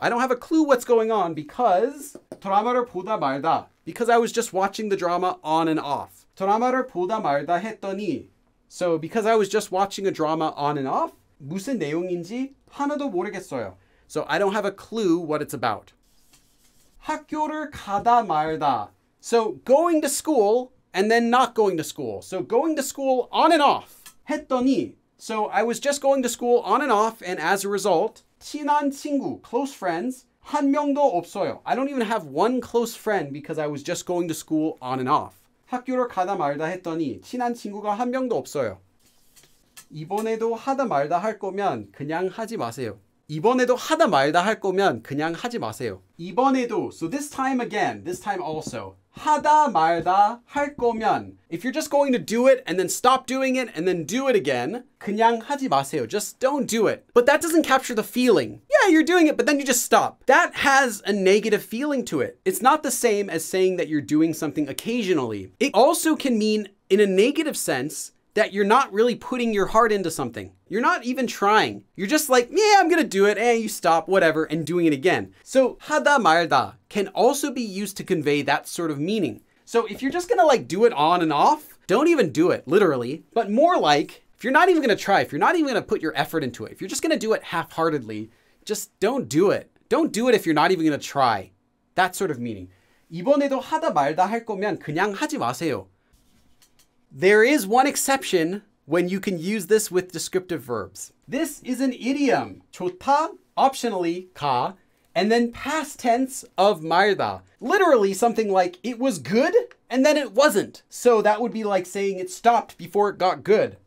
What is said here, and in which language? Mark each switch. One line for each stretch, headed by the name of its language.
English: I don't have a clue what's going on because
Korean: 드라마를 보다 말다.
English: Because I was just watching the drama on and off.
Korean: 드라마를 보다 말다 했더니
English: So because I was just watching a drama on and off,
Korean: 무슨 내용인지 하나도 모르겠어요.
English: So I don't have a clue what it's about.
Korean: 학교를 가다 말다.
English: So going to school and then not going to school. So going to school on and off.
Korean: 했더니
English: So I was just going to school on and off and as a result,
Korean: 친한 친구,
English: close friends,
Korean: 한 명도 없어요.
English: I don't even have one close friend because I was just going to school on and off.
Korean: 학교를 가다 말다 했더니 친한 친구가 한 명도 없어요. 이번에도 하다 말다 할 거면 그냥 하지 마세요. 이번에도 하다 말다 할 거면 그냥 하지 마세요. 이번에도,
English: so this time again, this time also,
Korean: 하다 말다 할 거면
English: If you're just going to do it and then stop doing it and then do it again,
Korean: 그냥 하지 마세요.
English: Just don't do it. But that doesn't capture the feeling. Yeah, you're doing it, but then you just stop. That has a negative feeling to it. It's not the same as saying that you're doing something occasionally. It also can mean, in a negative sense, that you're not really putting your heart into something. You're not even trying. You're just like, yeah, I'm gonna do it, and you stop, whatever, and doing it again. So,
Korean: 하다 말다
English: can also be used to convey that sort of meaning. So if you're just gonna like do it on and off, don't even do it, literally. But more like, if you're not even gonna try, if you're not even gonna put your effort into it, if you're just gonna do it half-heartedly, just don't do it. Don't do it if you're not even gonna try. That sort of meaning.
Korean: 이번에도 하다 말다 할 거면 그냥 하지 마세요.
English: There is one exception when you can use this with descriptive verbs. This is an idiom. 좋다, optionally, 가, and then past tense of 말다. Literally something like, it was good, and then it wasn't. So that would be like saying it stopped before it got good.